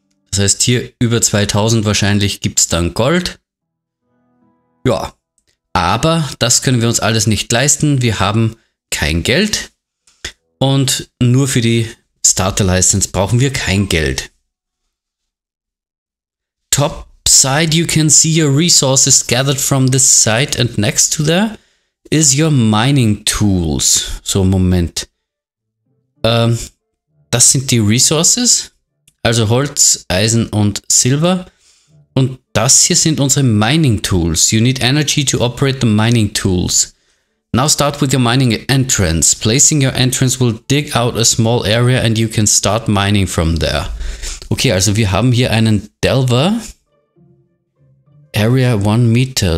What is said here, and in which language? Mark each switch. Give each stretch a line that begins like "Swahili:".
German: Das heißt, hier über 2000 wahrscheinlich gibt's dann Gold. Ja, aber das können wir uns alles nicht leisten. Wir haben kein Geld und nur für die Starter-License brauchen wir kein Geld.
English: Top side, you can see your resources gathered from this site and next to there is your mining tools.
German: So, Moment. Das sind die Resources, also Holz, Eisen und Silber. Und das hier sind unsere Mining Tools.
English: You need energy to operate the Mining Tools. Now start with your Mining Entrance. Placing your entrance will dig out a small area and you can start mining from there.
German: Okay, also wir haben hier einen Delver. Area 1 meter.